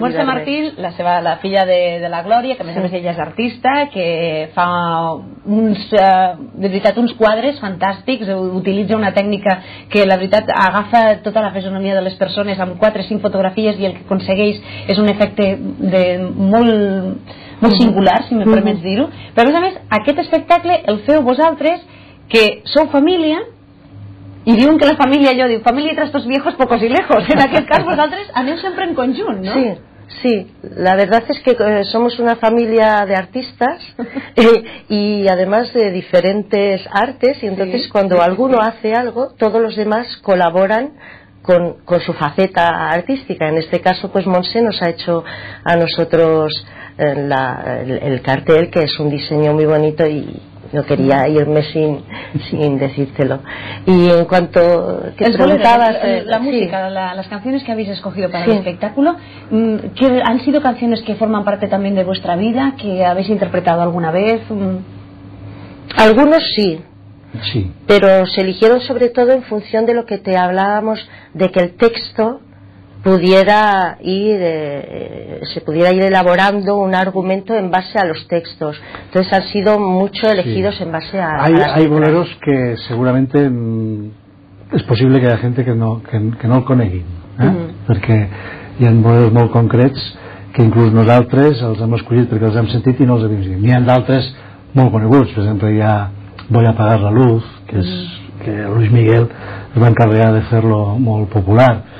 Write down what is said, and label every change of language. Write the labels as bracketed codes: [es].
[ca] Montse Martín, la seva, la filla de la Glòria, que a més a més ella és artista, que fa uns, de veritat, uns quadres fantàstics, utilitza una tècnica que la veritat agafa tota la fisonomia de les persones amb 4 o 5 fotografies i el que aconsegueix és un efecte de molt... molt singular, si me permets dir-ho. Però a més, aquest espectacle el feu vosaltres, que sou família, i diuen que la família, jo diu, família i [es] trastos viejos, pocos y lejos. [ca] En aquest cas, vosaltres aneu sempre en conjunt, no? Sí, sí. [es] La verdad es que somos una familia de artistas y además de diferentes artes, y entonces sí, cuando alguno hace algo, todos los demás colaboran con su faceta artística. En este caso, pues Montse nos ha hecho a nosotros... el cartel, que es un diseño muy bonito, y no quería irme sin decírtelo. Y en cuanto que preguntabas, la música, sí, las canciones que habéis escogido para, sí, el espectáculo, que han sido canciones que forman parte también de vuestra vida, que habéis interpretado alguna vez. Algunos sí, sí, pero se eligieron sobre todo en función de lo que te hablábamos, de que el texto pudiera ir, se pudiera ir elaborando un argumento en base a los textos. Entonces han sido mucho elegidos, sí, en base a... Hay boleros que seguramente es posible que haya gente que no [ca] el conegui, perquè hi ha boleros molt concrets que inclús nosaltres els hem escollit perquè els hem sentit i no els havíem dit. N'hi ha d'altres molt coneguts, per exemple hi ha Voy a apagar la luz, que és que Luis Miguel es va encarregar de fer-lo molt popular.